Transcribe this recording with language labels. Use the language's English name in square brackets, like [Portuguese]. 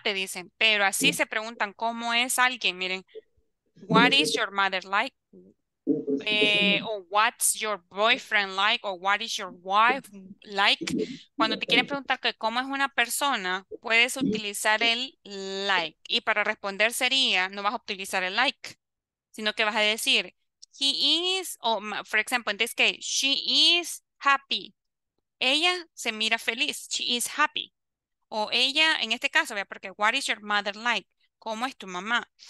[Spanish] Te dicen, pero así se preguntan, ¿cómo es alguien? Miren, [English] what is your mother like? O what's your boyfriend like, or what is your wife like. [Spanish] Cuando te quieren preguntar que cómo es una persona, puedes utilizar el like. Y para responder sería, no vas a utilizar el like, sino que vas a decir, [English] he is, [Spanish] o [English] for example, in this case, she is happy. [Spanish] Ella se mira feliz, [English] she is happy. [Spanish] O ella, en este caso, vea, porque [English] what is your mother like? [Spanish] ¿Cómo es tu mamá?